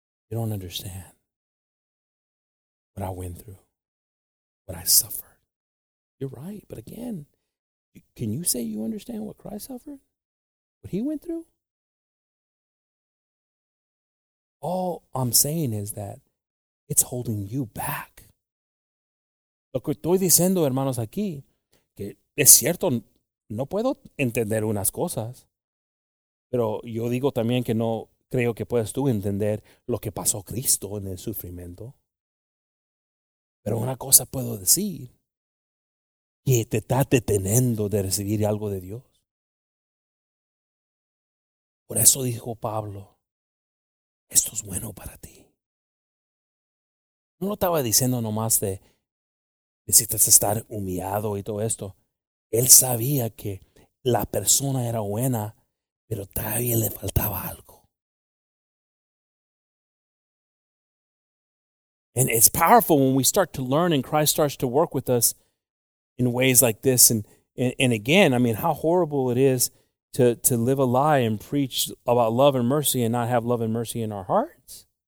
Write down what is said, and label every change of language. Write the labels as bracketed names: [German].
[English] You don't understand what I went through, what I suffered. You're right. But again, can you say you understand what Christ suffered? What he went through? All I'm saying is that it's holding you back. [Spanish] Lo que estoy diciendo, hermanos, aquí, que es cierto, no puedo entender unas cosas, pero yo digo también que no creo que puedas tú entender lo que pasó Cristo en el sufrimiento. Pero una cosa puedo decir, que te está deteniendo de recibir algo de Dios. Por eso dijo Pablo, esto es bueno para ti. No lo estaba diciendo nomás de necesitas estar humillado y todo esto. Él sabía que la persona era buena, pero todavía le faltaba algo. [English] And it's powerful when we start to learn and Christ starts to work with us in ways like this. And again, I mean, how horrible it is to live a lie and preach about love and mercy and not have love and mercy in our hearts.